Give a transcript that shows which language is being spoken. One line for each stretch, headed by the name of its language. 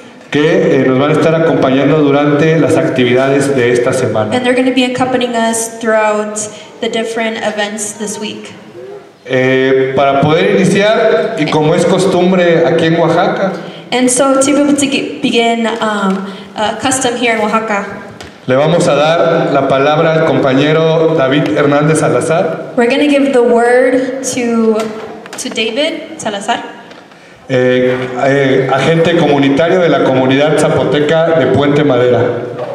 Spanish: Que nos van a estar acompañando durante las actividades de esta semana.
English: And they're going to be accompanying us throughout the different events this week.
Spanish: Para poder iniciar y como es costumbre aquí en Oaxaca.
English: And so to be able to begin custom here in Oaxaca.
Spanish: Le vamos a dar la palabra al compañero David Hernández Salazar.
English: We're going to give the word to David Salazar.
Spanish: Agente comunitario de la comunidad zapoteca de Puente Madera.